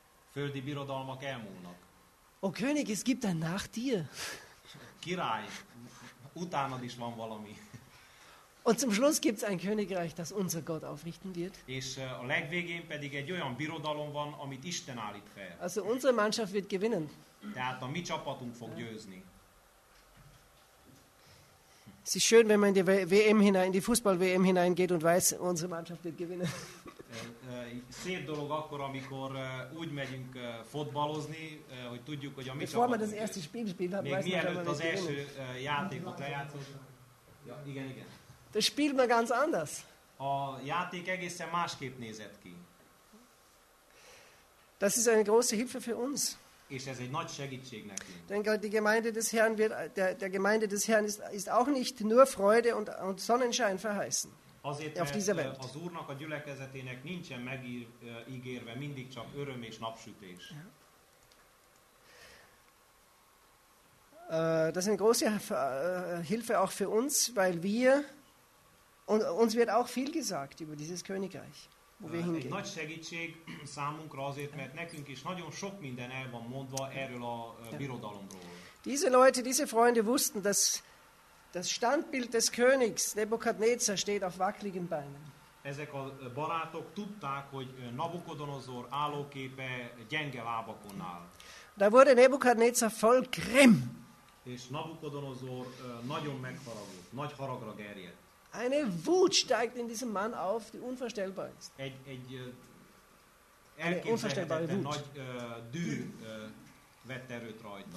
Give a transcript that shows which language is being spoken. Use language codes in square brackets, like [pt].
[hu] Földi birodalmak elmúlnak. [de] O König, es gibt ein nach dir. [hu] Király, utánad is van valami. [de] Und zum Schluss gibt's ein Königreich, das unser Gott aufrichten wird. [hu] És a legvégén pedig egy olyan birodalom van, amit Isten állít fel. [de] Also unsere Mannschaft wird gewinnen. [hu] Tehát a mi csapatunk fog győzni. [de] Es ist schön, wenn man in die WM hinein, in die Fußball-WM hineingeht und weiß, unsere Mannschaft wird gewinnen. [hu] Szép dolog akkor, amikor úgy megyünk futballozni, hogy tudjuk, hogy a mi csapatunk. [de] Das erste Spiel spielt, [hu] még mielőtt az első játékot lejátszott. Igen, igen. [de] Das spielt man ganz anders. [hu] A játék egészen másképp nézett ki. [de] Das ist eine große Hilfe für uns. [hu] És ez egy nagy segítség nekünk. [de] Denk, die Gemeinde des Herrn wird, der Gemeinde des Herrn ist auch nicht nur Freude und Sonnenschein verheißen. [hu] Azért, [de] auf dieser Welt. [hu] Az Úrnak a gyülekezetének nincsen megígérve mindig csak öröm és napsütés. Ja. [de] Das ist eine große Hilfe auch für uns, weil wir, und uns wird auch viel gesagt über dieses Königreich, wo wir hingehen. [hu] Egy nagy segítség számunkra azért, mert nekünk is nagyon sok minden el van mondva erről a birodalomról. [de] Diese Leute, diese Freunde wussten, dass das Standbild des Königs Nebukadnezar steht auf wackeligen Beinen. [hu] Ezek a barátok tudták, hogy Nabukodonozor állóképe gyenge lábakon áll. [de] Da wurde Nebukadnezar voll grimm. [hu] És Nabukodonozor nagyon megharagult, nagy haragra gerjedt. [de] Eine Wut steigt in diesem Mann auf, die unvorstellbar ist. [hu] Egy elképzelhetetlen nagy dű vett erőt rajta.